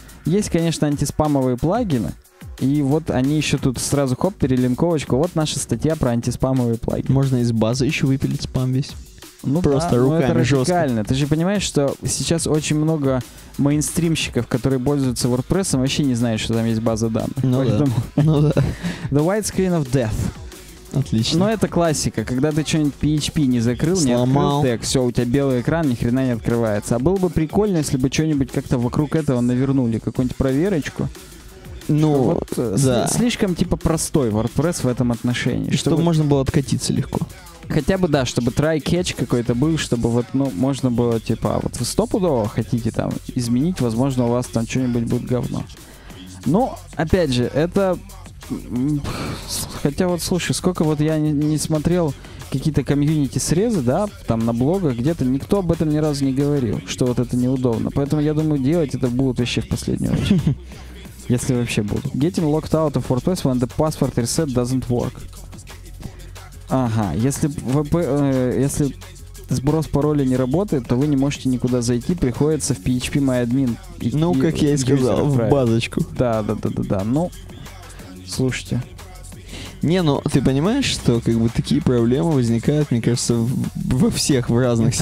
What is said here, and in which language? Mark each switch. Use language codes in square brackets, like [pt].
[ru] Есть, конечно, антиспамовые плагины. И вот они еще тут сразу хоп, перелинковочку. Вот наша статья про антиспамовые плагины. Можно из базы еще выпилить спам весь. Ну просто да, руками это жестко. Радикально. Ты же понимаешь, что сейчас очень много мейнстримщиков, которые пользуются WordPress, вообще не знают, что там есть база данных. Ну поэтому... да. Ну да. [en] The white screen of death. [ru] Отлично. Но это классика, когда ты что-нибудь PHP не закрыл, сломал. Не открыл тег, все, у тебя белый экран, ни хрена не открывается. А было бы прикольно, если бы что-нибудь как-то вокруг этого навернули, какую-нибудь проверочку. Ну, вот, да. Слишком типа простой WordPress в этом отношении. И чтобы можно было откатиться легко. Хотя бы, да, чтобы try-catch какой-то был, чтобы вот, ну, можно было, типа, вот вы стопудово хотите там изменить, возможно, у вас там что-нибудь будет говно. Ну, опять же, это... Хотя вот слушай, сколько вот я не смотрел какие-то комьюнити-срезы, да, там на блогах где-то, никто об этом ни разу не говорил, что вот это неудобно. Поэтому я думаю, делать это будут вообще в последнюю очередь. Если вообще будут. [en] Getting locked out of WordPress when the password reset doesn't work. [ru] Ага, если VP, если сброс пароля не работает, то вы не можете никуда зайти, приходится в PHP MyAdmin. Ну, как я и сказал, в базочку. Да. Ну... Слушайте. Не, ну ты понимаешь, что как бы такие проблемы возникают, мне кажется, во всех, в разных